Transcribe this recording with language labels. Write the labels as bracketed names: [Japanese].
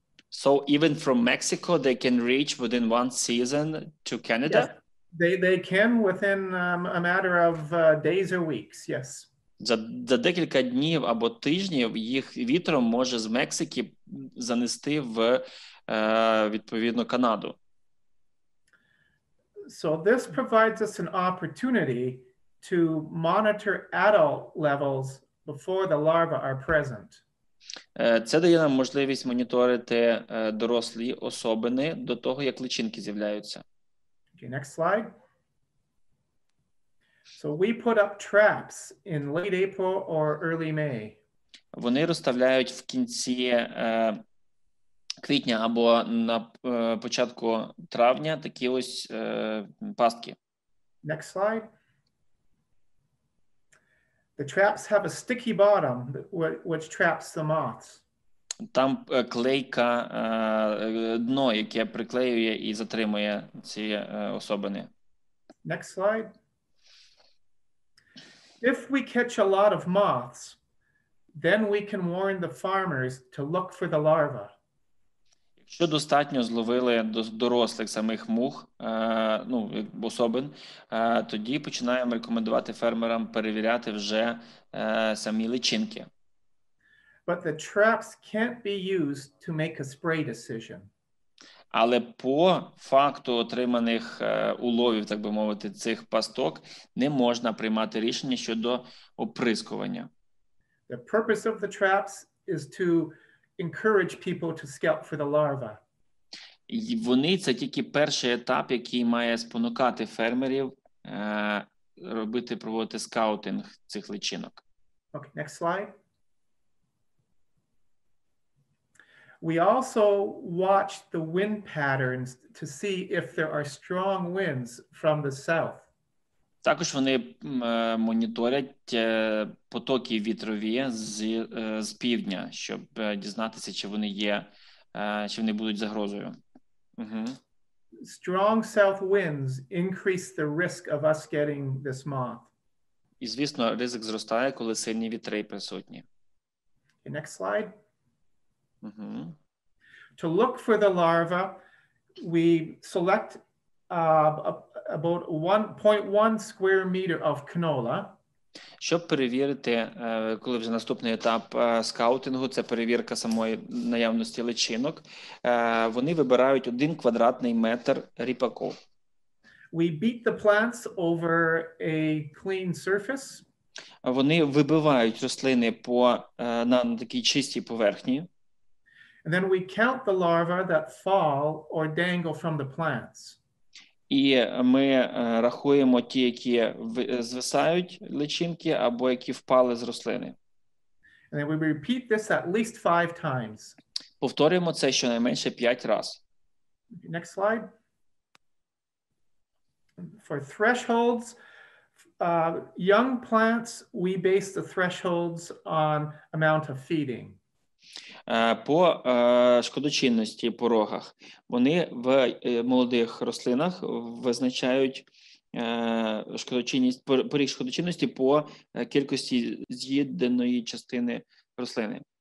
[English] So even from Mexico they can reach within one season to Canada? Yes. They can within a matter of days or weeks, yes. [Ukrainian] За декілька днів або тижнів їх вітром може з Мексики занести в відповідно Канаду. [English] So this provides us an opportunity to monitor adult levels before the larvae are present. [Ukrainian] Це дає нам можливість моніторити дорослі особини до того, як личинки з'являються. [English] Okay, next slide. So we put up traps in late April or early May. [Ukrainian] Вони розставляють в кінці квітня або на початку травня такі ось пастки. [English] Next slide. The traps have a sticky bottom which traps the moths. [Ukrainian] Там клейка, дно, яке приклеює і затримує ці особини. [English] Next slide. If we catch a lot of moths, then we can warn the farmers to look for the larva. [Ukrainian] Якщо достатньо зловили дорослих самих мух, ну, особин, тоді починаємо рекомендувати фермерам перевіряти вже самі личинки. [English] But the traps can't be used to make a spray decision. [Ukrainian] Але по факту отриманих уловів, так би мовити, цих пасток, не можна приймати рішення щодо оприскування. [English] The purpose of the traps is to encourage people to scout for the larva. [Ukrainian] І вони це тільки перший етап, який має спонукати фермерів робити, проводити скаутинг цих личинок. [English] Okay, next slide. We also watch the wind patterns to see if there are strong winds from the south. [Ukrainian] Також вони моніторять потоки вітрові з півдня, щоб дізнатися, чи вони є, чи вони будуть загрозою. [English] Strong south winds increase the risk of us getting this moth. [Ukrainian] І, звісно, ризик зростає, коли сильні вітри присутні. [English] Okay, next slide. To look for the larva, we select about 1.1 square meter of canola. [Ukrainian] Щоб перевірити, коли вже наступний етап скаутингу, це перевірка самої наявності личинок, вони вибирають 1 квадратний метр ріпаку. [English] We beat the plants over a clean surface. [Ukrainian] Вони вибивають рослини по на такій чистій поверхні. [English] And then we count the larvae that fall or dangle from the plants. [Ukrainian] І ми рахуємо ті, які звисають личинки або які впали з рослини. [English] And then we repeat this at least 5 times. [Ukrainian] Повторюємо це щонайменше 5 раз. [English] Next slide. For thresholds, young plants, we base the thresholds on amount of feeding. [Ukrainian] По шкодочинності порогах. Вони в молодих рослинах визначають шкодочинність, поріг шкодочинності по кількості з'їденої частини рослини.